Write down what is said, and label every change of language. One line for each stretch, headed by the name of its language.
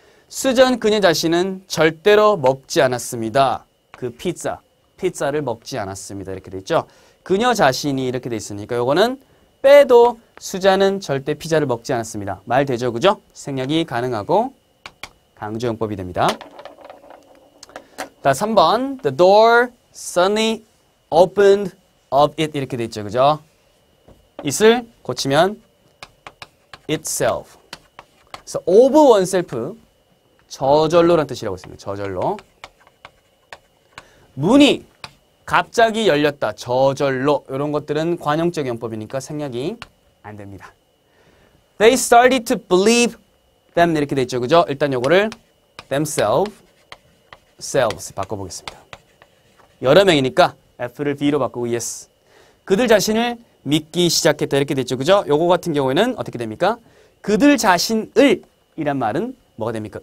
Korean: Susan 그녀 자신은 절대로 먹지 않았습니다. 그 피자. 피자를 먹지 않았습니다. 이렇게 돼 있죠. 그녀 자신이 이렇게 돼 있으니까 요거는 빼도 Susan은 절대 피자를 먹지 않았습니다. 말 되죠, 그죠? 생략이 가능하고 강조용법이 됩니다. 자, 3번.
English: The door suddenly opened of it
Korean: 이렇게 돼 있죠, 그죠? it을 고치면 itself. 그래서 of oneself 저절로란 뜻이라고 있습니다. 저절로 문이 갑자기 열렸다. 저절로 이런 것들은 관용적 용법이니까 생략이 안 됩니다.
English: They started to believe them
Korean: 이렇게 돼 있죠, 그죠? 일단 요거를 themselves 바꿔보겠습니다. 여러 명이니까. F를 B로 바꾸고 yes. 그들 자신을 믿기 시작했다 이렇게 됐죠, 그죠? 요거 같은 경우에는 어떻게 됩니까? 그들 자신을 이란 말은 뭐가 됩니까?